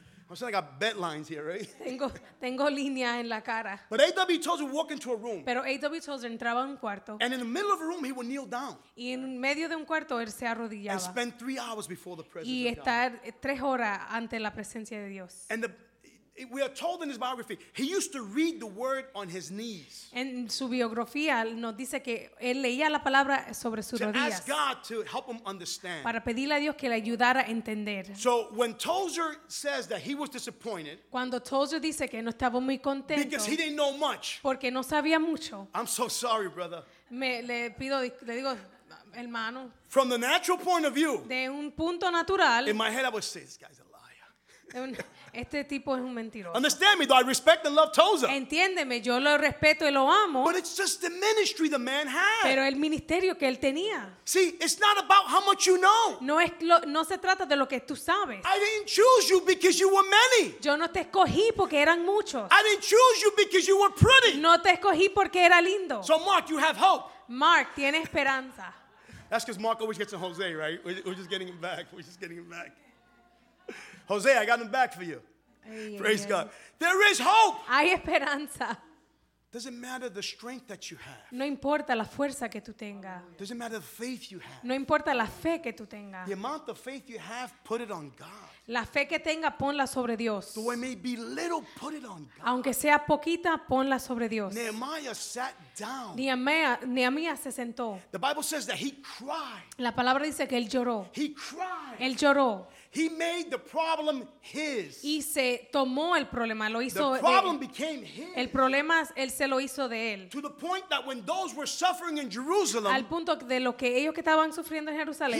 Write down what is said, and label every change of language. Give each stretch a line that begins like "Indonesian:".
English: I'm saying, I got bed lines here, right?
Spanish: Tengo línea en la cara.
English: But A.W. Tozer would walk into a room.
Spanish: Pero A.W. Tozer entraba a un cuarto.
English: And in the middle of a room, he would kneel down.
Spanish: Y en medio de un cuarto, él se arrodillaba.
English: And spend 3 hours before the presence of God.
Spanish: Y estar 3 horas ante la presencia de Dios.
English: And we are told in his biography, he used to read the word on his knees.
Spanish: En su biografía nos dice que él leía la palabra sobre sus rodillas.
English: To ask God to help him understand.
Spanish: Para pedirle a Dios que le ayudara a entender.
English: So when Tozer says that he was disappointed,
Spanish: cuando Tozer dice que no estaba muy contento,
English: because he didn't know much,
Spanish: porque no sabía mucho,
English: I'm so sorry, brother.
Spanish: Le digo, hermano.
English: From the natural point of view,
Spanish: de un punto natural,
English: in my head I would say, this guy's a liar.
Spanish: Este tipo es un mentiroso.
English: Understand me, though I respect and love Tozer.
Spanish: Entiéndeme, yo lo respeto y lo amo.
English: But it's just the ministry the man had.
Spanish: Pero el ministerio que él tenía.
English: See, it's not about how much you know.
Spanish: No se trata de lo que tú sabes.
English: I didn't choose you because you were many.
Spanish: Yo no te escogí porque eran muchos.
English: I didn't choose you because you were pretty.
Spanish: No te escogí porque era lindo.
English: So Mark, you have hope.
Spanish: Mark, tienes esperanza.
English: That's because Mark always gets a Jose, right? We're just getting him back. Jose, I got him back for you. Praise God. There is hope.
Spanish: Hay esperanza.
English: Doesn't matter the strength that you have.
Spanish: No importa la fuerza que tú tengas.
English: Doesn't matter the faith you have.
Spanish: No importa la fe que tú tengas.
English: The amount of faith you have, put it on God.
Spanish: La fe que tenga, ponla sobre Dios.
English: Though it may be little, put it on God.
Spanish: Aunque sea poquita, ponla sobre Dios.
English: Nehemiah sat down.
Spanish: Nehemiah se sentó.
English: The Bible says that he cried.
Spanish: La palabra dice que él lloró.
English: He cried.
Spanish: Él lloró.
English: He made the problem his.
Spanish: Y se tomó el problema, lo hizo él.
English: The problem became his.
Spanish: El problema él se lo hizo de él.
English: To the point that when those were suffering in Jerusalem,
Spanish: al punto de lo que ellos que estaban sufriendo en Jerusalén,